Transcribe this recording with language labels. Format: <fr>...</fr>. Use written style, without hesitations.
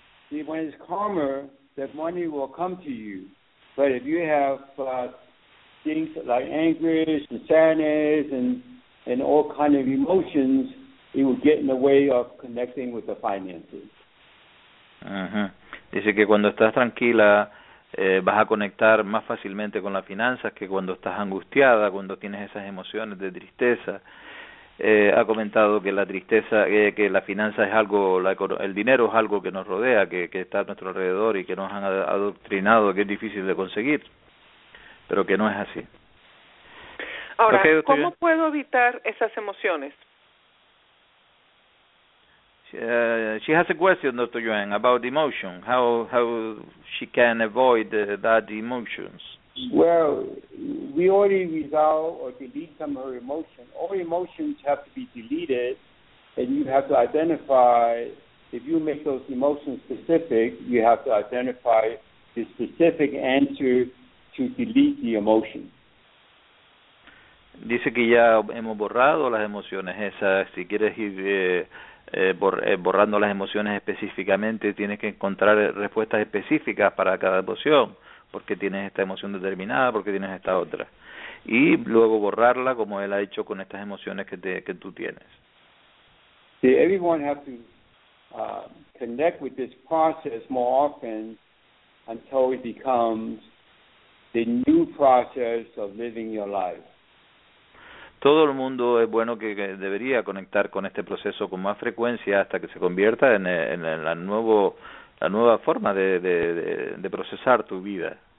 <en>See, when it's calmer, that money will come to you. But if you have things like anger and sadness and all kind of emotions, it would get in the way of connecting with the finances. Uh-huh.</en> <es>Dice que cuando estás tranquila vas a conectar más fácilmente con las finanzas que cuando estás angustiada, cuando tienes esas emociones de tristeza. Ha comentado que la tristeza, que la finanza es algo, el dinero es algo que nos rodea, que está a nuestro alrededor y que nos han adoctrinado, que es difícil de conseguir, pero que no es así. Ahora, okay, ¿cómo puedo evitar esas emociones?</es> <en>She has a question, Dr. Yuan, about emotion. How she can avoid that emotions? Well, we already resolve or delete some of her emotion. All emotions have to be deleted, and you have to identify, if you make those emotions specific, you have to identify the specific answer to delete the emotion.</en> <es>Dice que ya hemos borrado las emociones esas. Si quieres ir borrando las emociones específicamente, tienes que encontrar respuestas específicas para cada emoción, porque tienes esta emoción determinada, porque tienes esta otra, y luego borrarla como él ha hecho con estas emociones que tú tienes.</es> <en>See, everyone has to connect with this process more often until it becomes the new process of living your life.</en> <es>Todo el mundo es bueno que debería conectar con este proceso con más frecuencia hasta que se convierta en la nueva forma de procesar tu vida.</es>